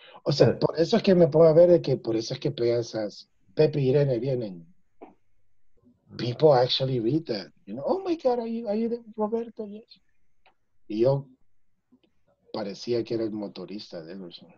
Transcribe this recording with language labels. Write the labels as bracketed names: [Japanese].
[Spanish] O sea, por eso es que me puedo ver que por eso es que piensas, Pepe y Irene vienen. [English] People actually read that. You know, oh my God, are you the Roberto? Yes. [Spanish] Y yo parecía que era el motorista de él.